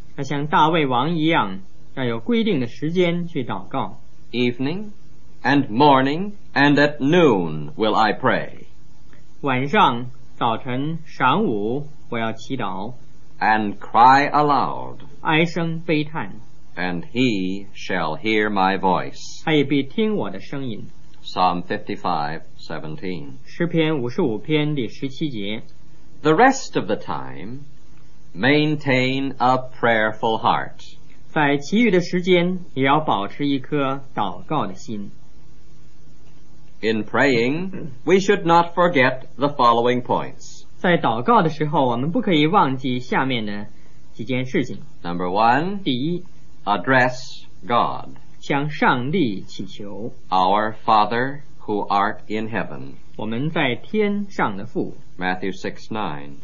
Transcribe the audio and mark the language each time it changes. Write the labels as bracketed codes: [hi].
[zh] 要像大卫王一样，要有规定的时间去祷告。 [en] Evening and morning and at noon will I pray. [zh] 晚上、早晨、晌午，我要祈祷。 [en] And cry aloud. [zh] 哀声悲叹。 [en] And he shall hear my voice. [zh] 他也必听我的声音。 [en] Psalm 55:17. [zh] 诗篇五十五篇第十七节。 [en] The rest of the time, maintain a prayerful heart. [zh] 在其余的时间，也要保持一颗祷告的心。 [en] In praying, we should not forget the following points. [zh] 在祷告的时候，我们不可以忘记下面的几件事情。 [en] Number one, [zh] 第一， [en] address God. [zh] 向上帝祈求。 [en] Our Father who art in heaven. [zh] 我们在天上的父。 [en] Matthew 6:9.